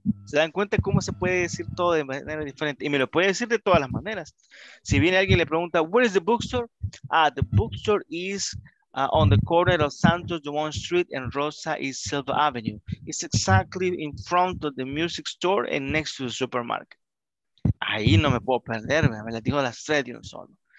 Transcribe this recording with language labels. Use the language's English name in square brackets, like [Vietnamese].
[Spanish] ¿Se dan cuenta cómo se puede decir todo de manera diferente? Y me lo puede decir de todas las maneras. Si viene alguien y le pregunta, [English] where is the bookstore? Ah, the bookstore is on the corner of Santos Dumont Street and Rosa y Silva Avenue. It's exactly in front of the music store and next to the supermarket. [Spanish] Ahí no me puedo perder, me la dijo las tres de un solo.